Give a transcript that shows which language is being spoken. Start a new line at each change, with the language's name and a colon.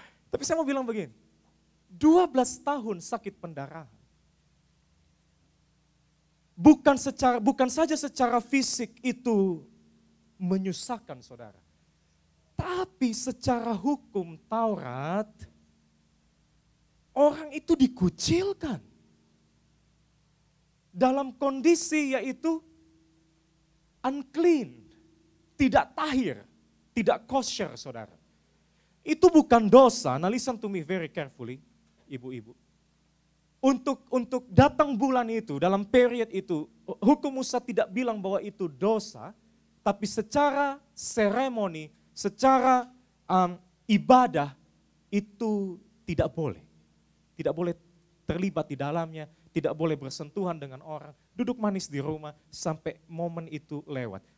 Indonesian: Tapi saya mau bilang begini, 12 tahun sakit pendarahan, bukan saja secara fisik itu menyusahkan, saudara, tapi secara hukum Taurat, orang itu dikucilkan dalam kondisi yaitu unclean, tidak tahir, tidak kosher, saudara. Itu bukan dosa.
English: Now listen to me very carefully,
Indonesian: ibu-ibu. Untuk datang bulan itu, dalam period itu, hukum Musa tidak bilang bahwa itu dosa, tapi secara seremoni, secara ibadah, itu tidak boleh. Tidak boleh terlibat di dalamnya, tidak boleh bersentuhan dengan orang, duduk manis di rumah sampai momen itu lewat.